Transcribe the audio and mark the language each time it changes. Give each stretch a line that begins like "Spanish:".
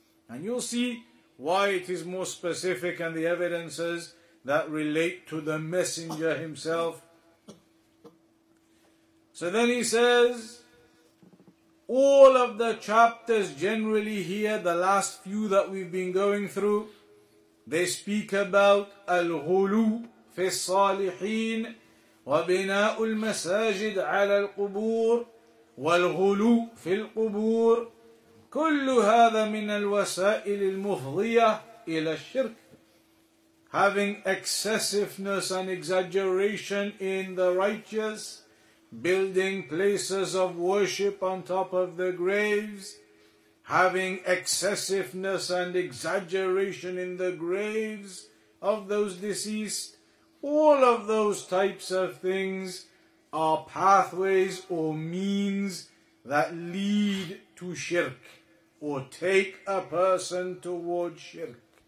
English: And you'll see why it is more specific and the evidences that relate to the messenger himself. So then he says, all of the chapters generally here, the last few that we've been going through, they speak about al-ghulu fi salihin.
Arabic: وبناء المساجد على القبور والغلو في القبور كل هذا من الوسائل المفضية إلى الشرك.
English: Having excessiveness and exaggeration in the righteous, building places of worship on top of the graves, having excessiveness and exaggeration in the graves of those deceased, all of those types of things are pathways or means that lead to shirk or take a person towards shirk.